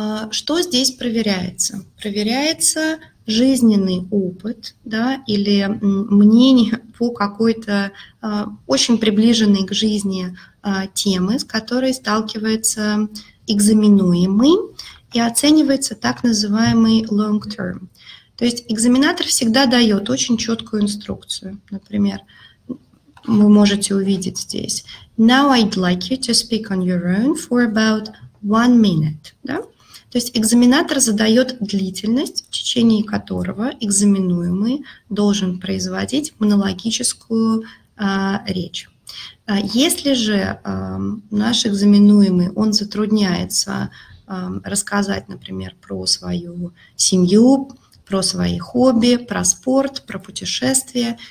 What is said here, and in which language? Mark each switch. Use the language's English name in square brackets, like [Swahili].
[Russian] Что здесь проверяется? Проверяется жизненный опыт, да, или мнение по какой-то очень приближенной к жизни темы, с которой сталкивается экзаменуемый. И оценивается так называемый long term. То есть экзаменатор всегда дает очень четкую инструкцию. Например, вы можете увидеть здесь. [English] Now I'd like you to speak on your own for about 1 minute. [Russian] Да? То есть экзаменатор задает длительность, в течение которого экзаменуемый должен производить монологическую речь. Если же наш экзаменуемый, он затрудняется рассказать, например, про свою семью, про свои хобби, про спорт, про путешествия.